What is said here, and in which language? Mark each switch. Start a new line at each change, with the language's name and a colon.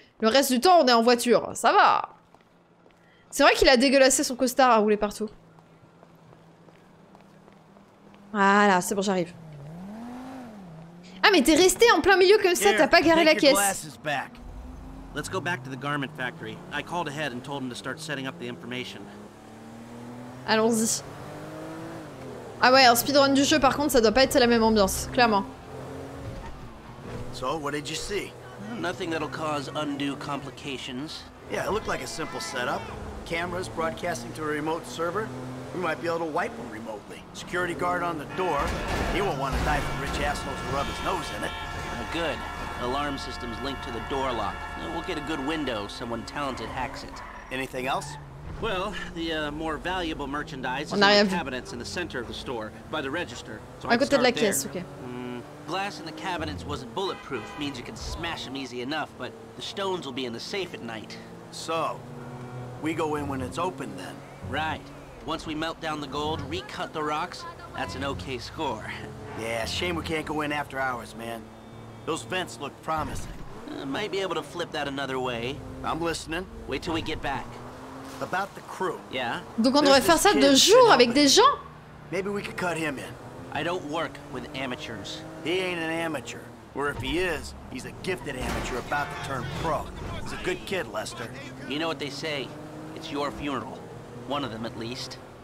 French: Le reste du temps, on est en voiture. Ça va. C'est vrai qu'il a dégueulassé son costard à rouler partout. Voilà, c'est bon, j'arrive. Ah, mais t'es resté en plein milieu comme ça, t'as pas garé la caisse.
English: Let's go back to the garment factory. I called ahead and told him to start setting up the information.
French: Allons-y. Ah ouais, un speedrun du jeu par contre, ça doit pas être la même ambiance, clairement.
English: So, what did you see? Nothing that'll cause undue complications. Yeah, it looked like a simple setup. Cameras broadcasting to a remote server. We might be able to wipe them remotely. Security guard on the door. He won't want to die from rich assholes to rub his nose in it. Good. Alarm system's linked to the door lock. We'll get a good window if someone talented hacks it. Anything else? Well, the more valuable merchandise is in the cabinets in the center of the store, by the register. So I could start there. Okay. Glass in the cabinets wasn't bulletproof, means you can smash them easy enough, but the stones will be in the safe at night. So, we go in when it's open then. Right. Once we melt down the gold, recut the rocks, that's an okay score. Yeah, shame we can't go in after hours, man. Those vents look promising. Might be able to flip that another way. I'm listening. Wait till we get back. About the crew. Yeah?
French: Donc on devrait faire ça de jour avec des gens.
English: Maybe we could cut him in. I don't work with amateurs. He ain't an amateur. Or if he is, he's a gifted amateur about to turn pro. He's a good kid, Lester. You know what they say. It's your funeral. One of them, at least.